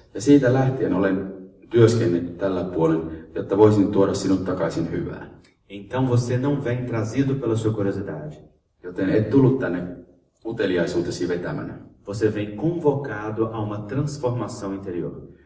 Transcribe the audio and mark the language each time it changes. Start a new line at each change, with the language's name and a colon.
Finnish: Ja siitä lähtien olen työskennellyt tällä puolen, jotta voisin tuoda sinut takaisin hyvään.
Portuguese: Então você não vem trazido pela sua curiosidade.
Finnish: Joten et tullut tänne uteliaisuutesi vetämänä.
Portuguese: Você vem convocado a uma transformação interior.